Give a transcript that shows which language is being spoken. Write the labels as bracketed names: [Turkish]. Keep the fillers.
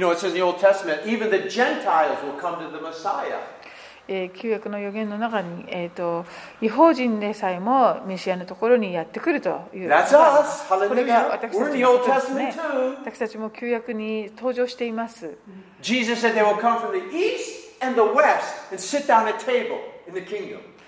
[English] know, it says in the Old Testament, even the Gentiles will come to the Messiah. [Japanese] 旧約の予言の中に、えー、と違法人でさえもメシアのところにやってくるという。これが私たちの、ね、私たちも旧約に登場しています。 [English] Jesus said they will come from the east. and the West and sit down at table in the kingdom.